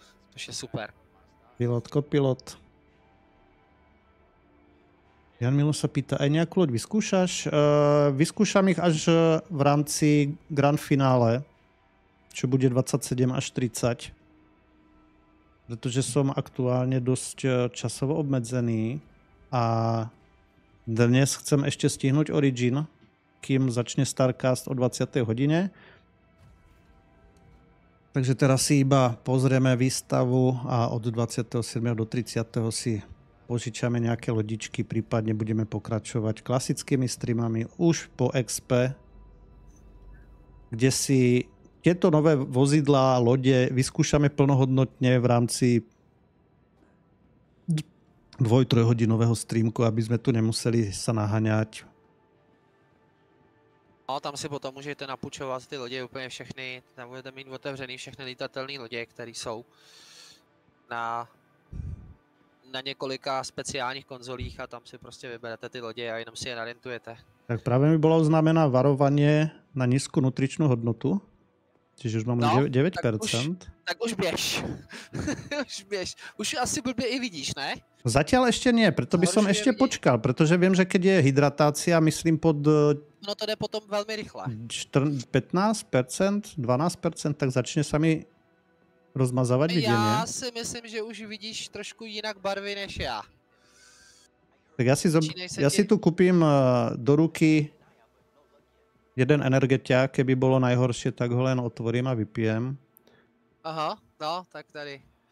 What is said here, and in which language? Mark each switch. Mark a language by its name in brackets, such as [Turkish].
[Slovak] To je super. Pilotko, pilot. Jan Milo se pýta, aj nějakou loď vyskúšaš? Vyskúšam ich až v rámci grand finále, čo bude 27 až 30. Protože som aktuálne dosť časovo obmedzený a dnes chcem ešte stihnúť Origin, kým začne Starcast o 20. hodine. Takže teraz si iba pozrieme výstavu a od 27. do 30. si požičame nejaké lodičky, prípadne budeme pokračovať klasickými streamami už po XP, kde si tieto nové vozidlá, lode vyskúšame plnohodnotne v rámci 2-3 hodinového streamku, aby sme tu nemuseli sa naháňať. [Czech] A tam si potom můžete napučovat ty lodě úplně všechny, tam budete mít otevřený všechny lítatelné lodě, které jsou na několika speciálních konzolích a tam si prostě vyberete ty lodě a jenom si je narentujete. Tak právě mi bylo oznámeno varovaně na nízkou nutričnou hodnotu, čiže už mám 9%. Tak už běž, už běž, už asi blbě i vidíš, ne? [Slovak] Zatiaľ ešte nie, preto by som ešte počkal, pretože viem, že keď je hydratácia, myslím pod... No to jde potom veľmi rýchle. 15%, 12%, tak začne sa mi rozmazávať videnie. Ja si myslím, že už vidíš trošku inak barvy než ja. Tak ja si tu kúpim do ruky jeden energeťák, keby bolo najhoršie, tak ho len otvorím a vypijem. [Czech] Aha, no, tak tady...